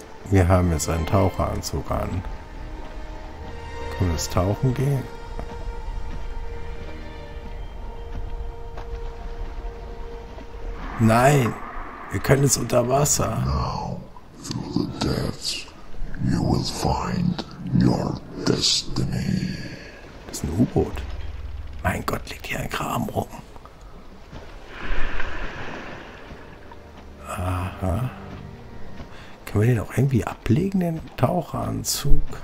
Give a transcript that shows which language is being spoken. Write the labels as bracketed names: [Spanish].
[German] Wir haben jetzt einen Taucheranzug an. Können wir jetzt tauchen gehen? Nein! Wir können jetzt unter Wasser. [English] Now, through the depths, you will find your destiny. [German] Das ist ein U-Boot. Mein Gott, liegt hier ein Kram rum. Aha. Können wir den auch irgendwie ablegen, den Taucheranzug?